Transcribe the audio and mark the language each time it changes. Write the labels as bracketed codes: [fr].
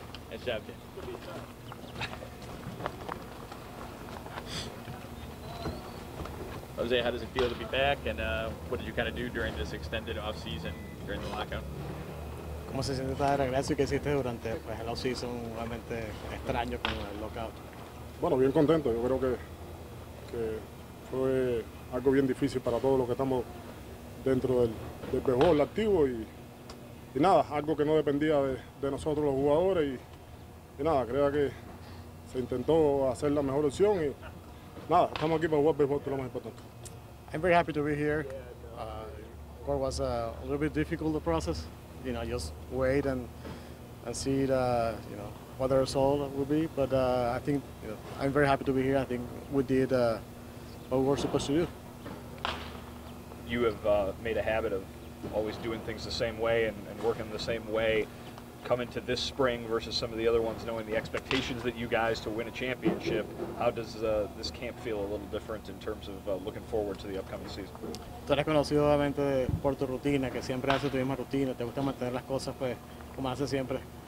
[en] Nice job, James. Jose, how does it feel to be back, and what did you kind of do during this extended off season during the lockout? [es] ¿Cómo se siente esta regreso que hiciste durante pues el off season realmente extraño con el lockout? Bueno, bien contento. Yo creo que fue algo bien difícil para todos los que estamos dentro del béisbol activo y nada, algo que no dependía de nosotros los jugadores y nada, creo que se intentó hacer la mejor opción y nada, estamos aquí para jugar béisbol, que es lo más importante. [en] I'm very happy to be here. What was a little bit difficult the process, you know, just wait and see the, you know, what the result will be, but I think, you know, I'm very happy to be here. I think we did what we were supposed to do. You have made a habit of always doing things the same way and working the same way. Coming to this spring versus some of the other ones, knowing the expectations that you guys to win a championship, how does this camp feel a little different in terms of looking forward to the upcoming season? [es] Tú eres conocido obviamente por tu rutina, que siempre haces tu misma rutina, te gusta mantener las cosas pues como haces siempre.